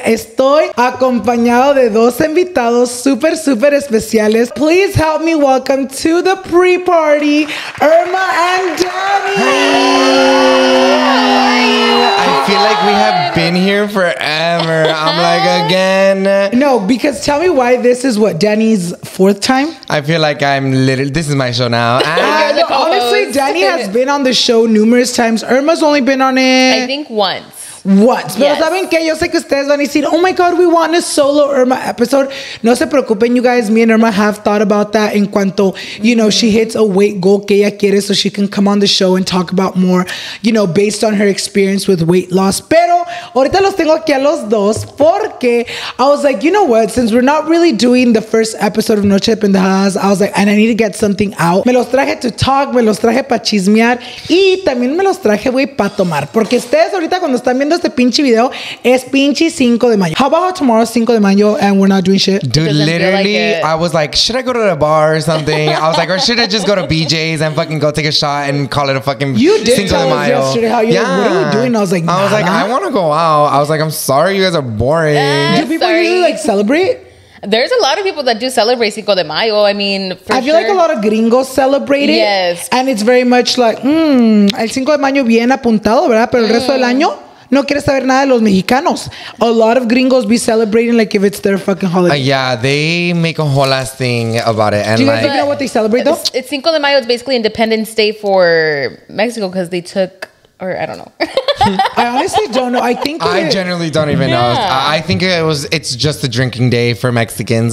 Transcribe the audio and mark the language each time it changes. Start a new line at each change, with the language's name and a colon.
Spanish: Estoy acompañado de dos invitados súper, súper especiales.
English: Please help me welcome to the pre-party, Irma and Danny. I feel like we have been here forever. I'm like, again. No, because tell me why this is what, Danny's fourth time? I feel like I'm literally, this is my show now. Honestly, Danny has been on the show numerous times. Irma's only been on it, I think, once. What? Yes.
Spanish: Pero saben que yo sé que ustedes van a decir,
English: oh my god, we want a solo Irma episode.
Spanish: No se preocupen,
English: you guys, me and Irma have thought about that
Spanish: en cuanto,
English: you know, she hits a weight goal
Spanish: que ella quiere,
English: so she can come on the show and talk about more, you know, based on her experience with weight loss.
Spanish: Pero ahorita los tengo aquí a los dos porque
English: I was like, you know what, since we're not really doing the first episode of Noche de Pendejadas, I was like, and I need to get something out.
Spanish: Me los traje
English: to talk,
Spanish: me los traje para chismear y también me los traje, güey, para tomar, porque ustedes ahorita cuando están viendo este pinche video, es pinche 5 de mayo.
English: How about tomorrow 5 de mayo and we're not doing shit? Dude, literally, I was like, should I go to the bar or something? I was like, or should I just go to BJ's and fucking go take a shot and call it a fucking 5 de mayo? You did tell us yesterday how you're like, what are you doing? I was like, I was like, I want to go out. I was like, I'm sorry, you guys are boring. Do people usually like celebrate? There's a lot of people that do celebrate Cinco de Mayo. I mean, for I feel sure. Like a lot of gringos celebrate it. Yes. And it's very much like, el Cinco de Mayo
Spanish: bien apuntado, ¿verdad? Pero el resto del año, no quieres saber nada de los mexicanos.
English: A lot of gringos be celebrating like if it's their fucking holiday. Yeah, they make a whole ass thing about it. And do you guys like, know what they celebrate though? It's Cinco de Mayo. It's basically Independence Day for Mexico because they took... Or I don't know. I honestly don't know. I think I generally don't even know. I think it was. It's just a drinking day for Mexicans.